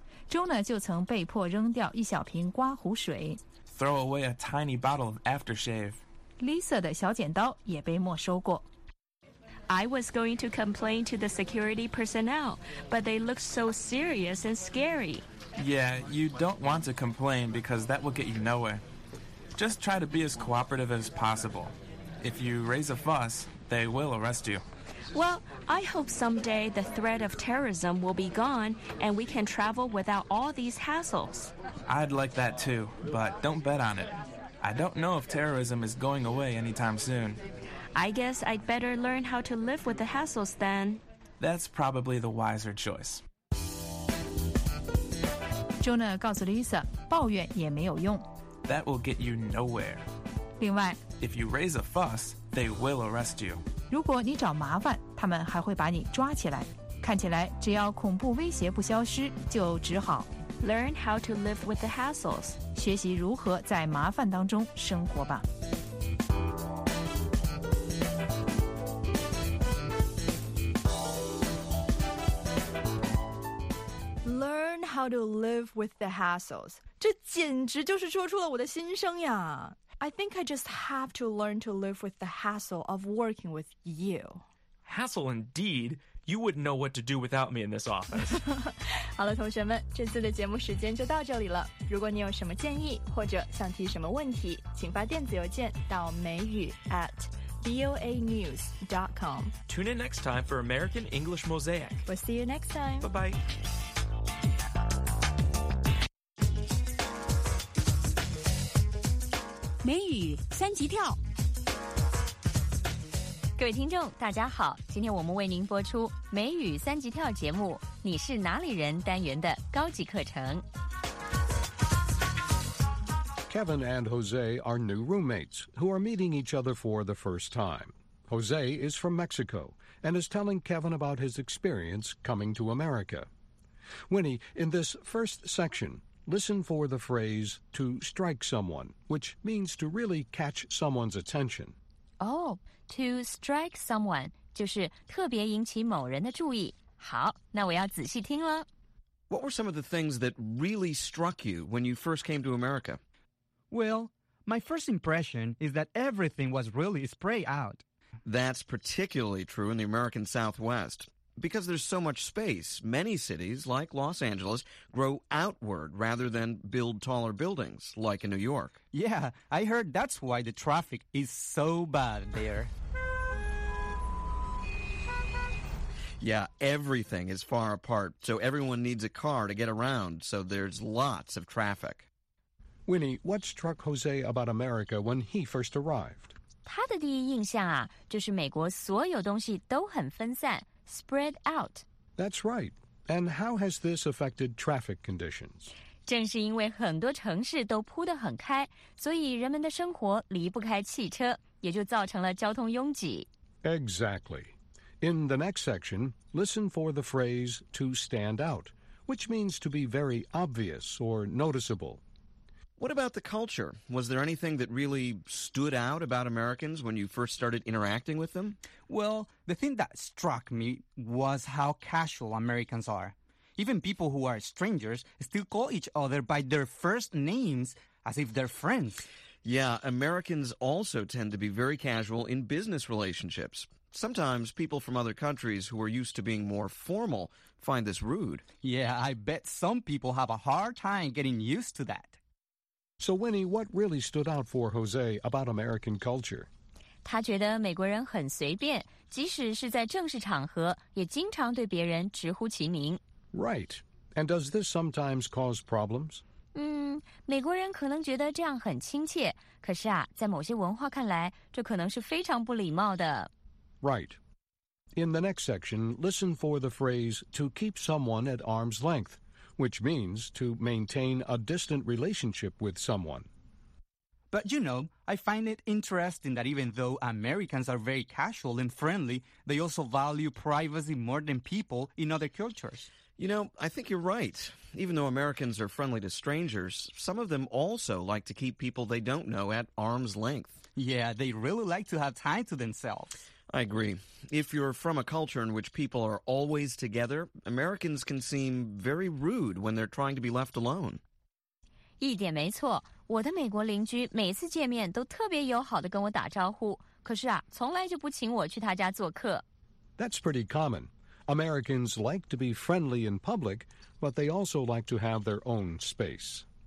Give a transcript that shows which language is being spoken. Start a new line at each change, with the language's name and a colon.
Chinese: Jonah 就曾被迫扔掉一小瓶刮胡水。
English: Throw away a tiny bottle of aftershave.
Chinese: Lisa 的小剪刀也被没收过。
English: I was going to complain to the security personnel, but they looked so serious and scary. Yeah, you don't want to complain because that will get you nowhere. Just try to be as cooperative as possible. If you raise a fuss, they will arrest you. Well, I hope someday the threat of terrorism will be gone and we can travel without all these hassles. I'd like that too, but don't bet on it. I don't know if terrorism is going away anytime soon. I guess I'd better learn how to live with the hassles then. That's probably the wiser choice.
Chinese: Jonah 告诉 Lisa, 抱怨也没有用。
English: That will get you nowhere.
Chinese: 另外
English: If you raise a fuss, they will arrest you.
Chinese: 如果你找麻烦，他们还会把你抓起来。看起来只要恐怖威胁不消失，就只好
English: Learn how to live with the hassles.
Chinese: 学习如何在麻烦当中生活吧。
English: Learn how to live with the hassles.
Chinese: 这简直就是说出了我的心声呀。
English: I think I just have to learn to live with the hassle of working with you. Hassle indeed. You wouldn't know what to do without me in this office.
Chinese: 好了，同学们，这次的节目时间就到这里了。如果你有什么建议或者想提什么问题，请发电子邮件到美语 @voanews.com.
English: Tune in next time for American English Mosaic. We'll see you next time. Bye-bye.
Chinese: 美语三级跳各位听众大家好，今天我们为您播出美语三级跳节目你是哪里人单元的高级课程。
English: Kevin and Jose are new roommates who are meeting each other for the first time. Jose is from Mexico and is telling Kevin about his experience coming to America. Winnie, in this first section, listen for the phrase to strike someone, which means to really catch someone's attention. Oh, to strike someone
Chinese: 就是特别引起某人的注意。好，那我要仔细听了。
English: What were some of the things that really struck you when you first came to America? Well, my first impression is that everything was really sprayed out. That's particularly true in the American Southwest. Because there's so much space, many cities, like Los Angeles, grow outward rather than build taller buildings, like in New York. Yeah, I heard that's why the traffic is so bad there. Yeah, everything is far apart, so everyone needs a car to get around, so there's lots of traffic. Winnie, what struck Jose about America when he first arrived?
Chinese: 他的第一印象啊，就是美国所有东西都很分散 ,
English: spread out. That's right. And how has this affected traffic conditions?
Chinese: 正是因为很多城市都铺得很开，所以人们的生活离不开汽车，也就造成了交通拥挤。
English: Exactly. In the next section, listen for the phrase to stand out, which means to be very obvious or noticeable. What about the culture? Was there anything that really stood out about Americans when you first started interacting with them? Well, the thing that struck me was how casual Americans are. Even people who are strangers still call each other by their first names as if they're friends. Yeah, Americans also tend to be very casual in business relationships. Sometimes people from other countries who are used to being more formal find this rude. Yeah, I bet some people have a hard time getting used to that. So, Winnie, what really stood out for Jose about American culture?
Chinese: 他觉得美国人很随便，即使是在正式场合，也经常对别人直呼其名。
English: Right. And does this sometimes cause problems?
Chinese: 美国人可能觉得这样很亲切，可是啊，在某些文化看来，这可能是非常不礼貌的。
English: Right. In the next section, listen for the phrase to keep someone at arm's length. Which means to maintain a distant relationship with someone. But you know, I find it interesting that even though Americans are very casual and friendly, they also value privacy more than people in other cultures. You know, I think you're right. Even though Americans are friendly to strangers, some of them also like to keep people they don't know at arm's length. Yeah, they really like to have time to themselves. I agree. If you're from a culture in which people are always together, Americans can seem very rude when they're trying to be left alone.
Chinese: 一点没错，我的美国邻居每次见面都特别友好地跟我打招呼，可是啊，从来就不请我去他家做客。
English: That's pretty common. Americans like to be friendly in public, but they also like to have their own space.